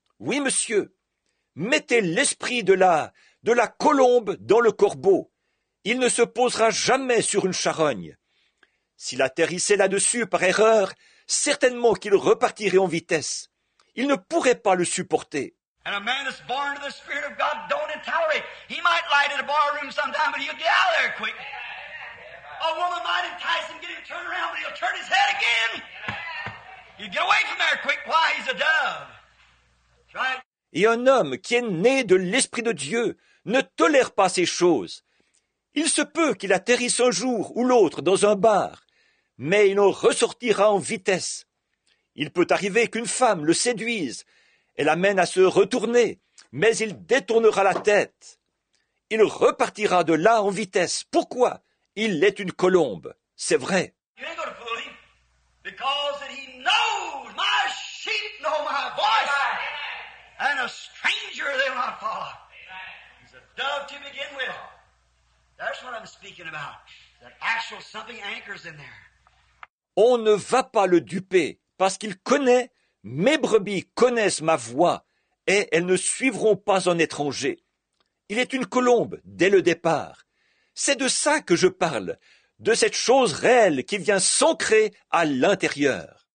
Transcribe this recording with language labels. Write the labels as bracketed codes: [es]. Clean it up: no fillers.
[fr] Oui, monsieur, mettez l'esprit de la colombe dans le corbeau. Il ne se posera jamais sur une charogne. S'il atterrissait là-dessus par erreur, certainement qu'il repartirait en vitesse. Il ne pourrait pas le supporter. [en] And a man that's born to the Spirit of God don't tolerate. He might light in a bar room sometime, but he'll get out of there quick. A woman might entice him, get him turned around, but he'll turn his head again. He'll get away from there quick. Why? He's a dove. Try it. [fr] Et un homme qui est né de l'Esprit de Dieu ne tolère pas ces choses. Il se peut qu'il atterrisse un jour ou l'autre dans un bar, mais il en ressortira en vitesse. Il peut arriver qu'une femme le séduise. Elle amène à se retourner, mais il détournera la tête. Il repartira de là en vitesse. Pourquoi? Il est une colombe. C'est vrai. [en] You ain't gonna fool him, because he knows my sheep know my voice. Amen. And a stranger they'll not follow. Amen. He's a dove to begin with. That's what I'm speaking about. That actual something anchors in there. [fr] On ne va pas le duper, parce qu'il connaît. Mes brebis connaissent ma voix et elles ne suivront pas un étranger. Il est une colombe dès le départ. C'est de ça que je parle, de cette chose réelle qui vient s'ancrer à l'intérieur.